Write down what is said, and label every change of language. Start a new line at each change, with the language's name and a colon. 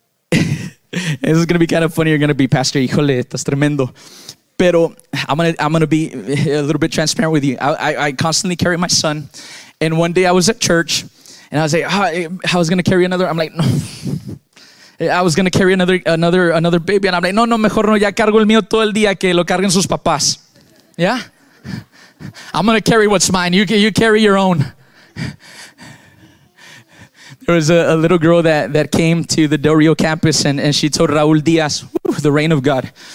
English: This is going to be kind of funny. You're going to be, Pastor,
Spanish: híjole, estás tremendo.
English: But I'm gonna be a little bit transparent with you. I constantly carry my son, and one day I was at church, and I was like, oh, I was gonna carry another. I'm like, no. I was gonna carry another baby, and I'm like, no,
Spanish: mejor no. Ya cargo el mío todo el día que lo carguen sus papás.
English: Yeah, I'm gonna carry what's mine. You carry your own. There was a little girl that came to the Del Rio campus, and she told Raul Diaz, the reign of God.